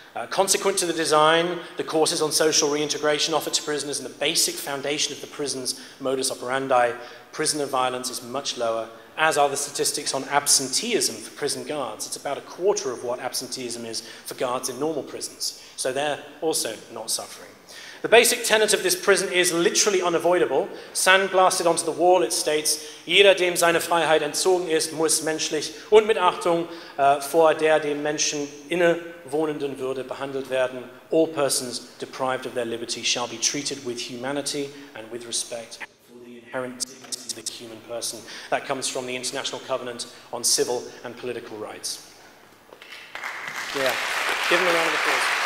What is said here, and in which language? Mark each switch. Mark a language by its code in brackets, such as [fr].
[en] Consequent to the design, the courses on social reintegration offered to prisoners and the basic foundation of the prison's modus operandi, prisoner violence is much lower, as are the statistics on absenteeism for prison guards. It's about a quarter of what absenteeism is for guards in normal prisons. So they're also not suffering. The basic tenet of this prison is literally unavoidable. Sandblasted onto the wall, it states, [de] Jeder, dem seine Freiheit entzogen ist, muss menschlich und mit Achtung vor der dem Menschen inne wohnenden Würde behandelt werden. [en] All persons deprived of their liberty shall be treated with humanity and with respect for the inherent dignity of the human person. That comes from the International Covenant on Civil and Political Rights. Yeah, give them a round of applause.